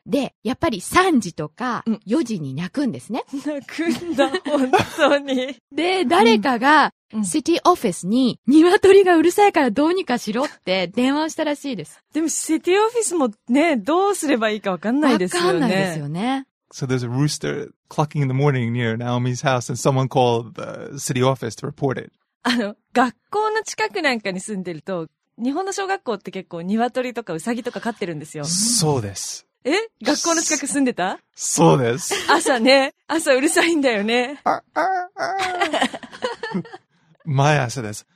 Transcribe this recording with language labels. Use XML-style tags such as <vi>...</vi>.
<ja>で、やっぱり3時とか4時に鳴くんですね。鳴くんだ、本当に。で、誰かが、シティオフィスに、鶏がうるさいからどうにかしろって電話をしたらしいです。でも、シティオフィスもね、どうすればいいかわかんないですよね。わかんないですよね。</ja> <en>So there's a rooster clucking in the morning near Naomi's house and someone called the city office to report it.</en> <ja>学校の近くなんかに住んでると、日本の小学校って結構鶏とかウサギとか飼ってるんですよ。そうです。え？学校の近く住んでた？そうです。朝ね、朝うるさいんだよね。毎朝です。</ja>